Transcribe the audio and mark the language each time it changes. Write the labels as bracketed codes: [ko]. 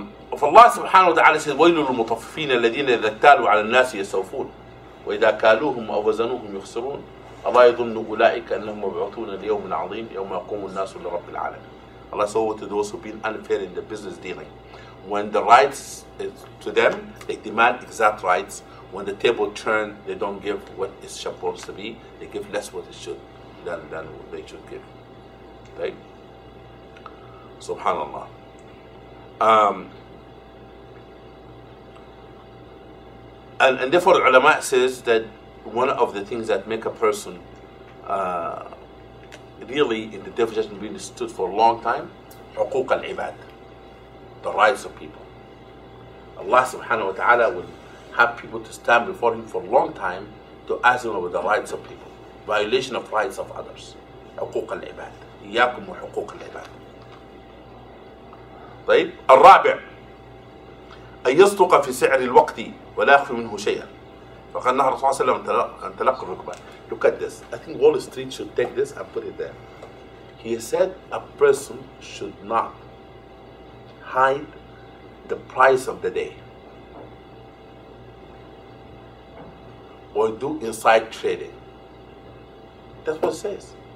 [ar] فالله سبحانه وتعالى says, وَيْلُ الْمُطَفِّفِينَ الَّذِينَ إِذَا اكْتَالُوا عَلَى النَّاسِ يَسْتَوْفُونَ وَإِذَا كَالُوهُمْ أَوْ وَزَنُوهُمْ يُخْسِرُونَ الله يظن أولئك أنهم مبعوثون ليوم عظيم يوم يقوم الناس لرب العالمين. [en] Allah says, woe to those who've been unfair in the business dealing. When the rights is to them, they demand exact rights. When the table turned, they don't give what it's supposed to be. They give less what it should than what they should give. Right? Subhanallah. And therefore, the ulama says that one of the things that make a person really in the definition being stood for a long time, [ar] حقوق العباد, [en] the rights of people. Allah subhanahu wa ta'ala will have people to stand before him for a long time to ask him about the rights of people, violation of rights of others. [ar] حقوق العباد. إياكم وحقوق العباد. طيب الرابع أن يصدق في سعر الوقت ولا يخفي منه شيئا فقد نهى الرسول صلى الله عليه وسلم أن تلقى الركبان. [en] Look at this. I think Wall Street should take this and put it there. He said a person should not hide the price of the day or do inside trading. That's what it says.